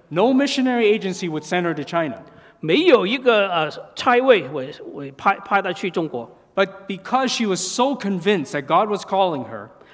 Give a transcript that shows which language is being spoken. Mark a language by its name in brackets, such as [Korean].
[English] No missionary agency would send her to China. [Chinese] 没有一个差位会派她去中国。 [English] But because she was so convinced that God was calling her,